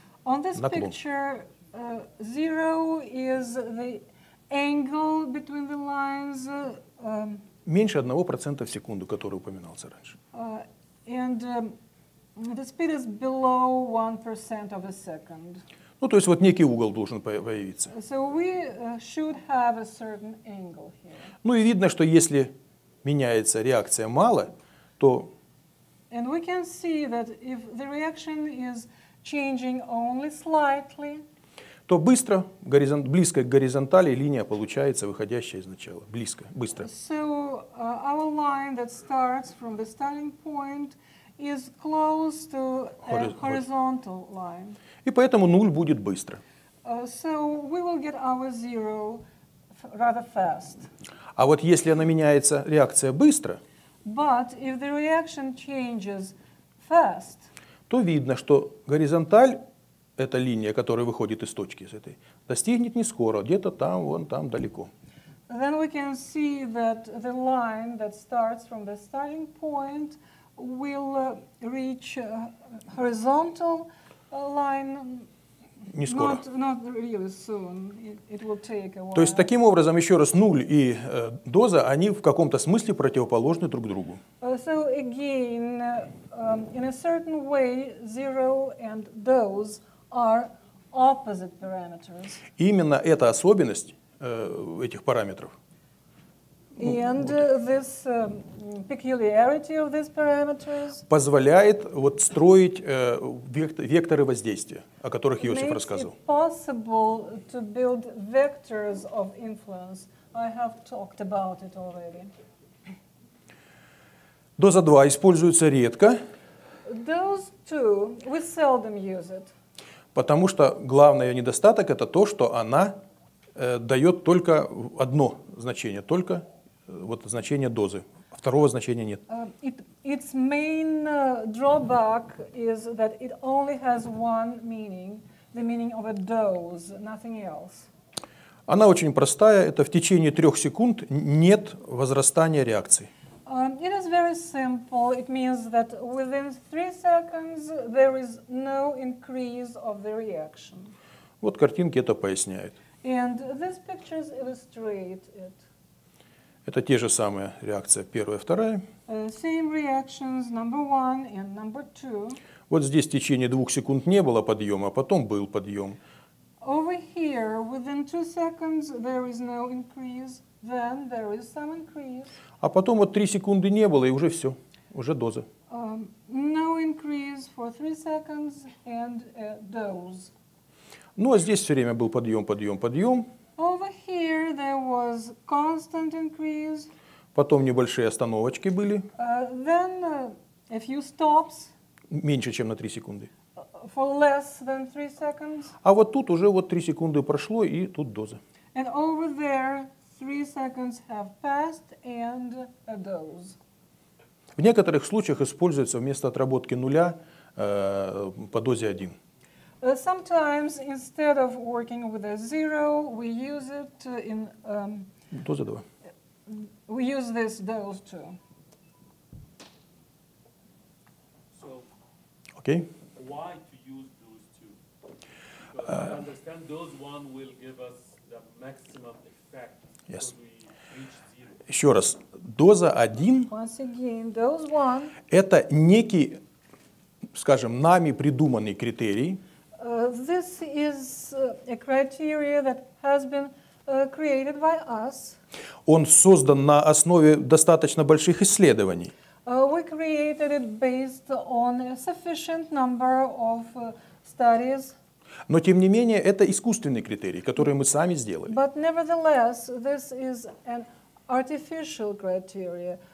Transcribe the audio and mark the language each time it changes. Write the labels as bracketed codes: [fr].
[en] On this picture, zero is the angle between the lines. [ru] Меньше 1% в секунду, который упоминался раньше. [en] And the speed is below 1% of a second. [ru] Ну, то есть вот некий угол должен появиться. [en] So we should have a certain angle here. [ru] Ну и видно, что если меняется реакция мало, то. [en] And we can see that if the reaction is changing only slightly, [ru] то быстро, близко к горизонтали, линия получается, выходящая из начала. Близко, быстро. [en] So our line that starts from the starting point is close to a horizontal line. [ru] И поэтому нуль будет быстро. [en] So we will get our zero rather fast. [ru] А вот если она меняется, реакция быстро, [en] but if the reaction changes fast, [ru] то видно, что горизонталь, эта линия, которая выходит из точки, из этой, достигнет не скоро, где-то там, вон там, далеко. [en] Then we can see that the line that starts from the starting point will reach a horizontal line. [ru] Не скоро. [en] Not really soon. It will take a while. [ru] То есть, таким образом, еще раз, нуль и доза, они в каком-то смысле противоположны друг другу. [en] So again, in a certain way, zero and dose are opposite parameters. [ru] Именно эта особенность этих параметров. [en] And this peculiarity of these parameters [ru] позволяет вот строить векторы воздействия, о которых Йосиф рассказывал. [en] Makes it possible to build vectors of influence. I have talked about it already. [ru] Доза 2 используется редко. [en] Those two, we seldom use it. [ru] Потому что главный недостаток это то, что она дает только одно значение, только вот значение дозы. Второго значения нет. [en] Its main drawback is that it only has one meaning, the meaning of a dose, nothing else. [ru] Она очень простая. Это в течение 3 секунд нет возрастания реакции. [en] It is very simple. It means that within 3 seconds there is no increase of the reaction. [ru] Вот картинки это поясняют. [en] And these pictures illustrate it. [ru] Это те же самые реакции, первая и вторая. [en] Same reactions, number one and number two. [ru] Вот здесь в течение 2 секунд не было подъема, а потом был подъем. [en] Over here, within 2 seconds, there is no increase, then there is some increase. [ru] А потом вот 3 секунды не было, и уже все, уже доза. [en] No increase for 3 seconds and a dose. [ru] Ну, а здесь все время был подъем, подъем, подъем. [en] Over here there was constant increase. [ru] Потом небольшие остановочки были. [en] Then a few stops. [ru] Меньше, чем на 3 секунды. [en] For less than 3 seconds. [ru] А вот тут уже вот 3 секунды прошло, и тут доза. [en] And over there 3 seconds have passed and a dose. [ru] В некоторых случаях используется вместо отработки нуля по дозе 1. [en] Sometimes instead of working with a zero, we use it in [ru] Доза 2. [en] We use this dose 2. Okay. Why to use those two? Understand those one will give us the maximum effect. Yes. [ru] Еще раз, доза 1 это некий, скажем, нами придуманный критерий. [en] This is a criteria that has been created by us. [ru] Он создан на основе достаточно больших исследований. [en] We created it based on a sufficient number of studies. [ru] Но, тем не менее, это искусственный критерий, который мы сами сделали. [en] But nevertheless, this is an artificial criteria.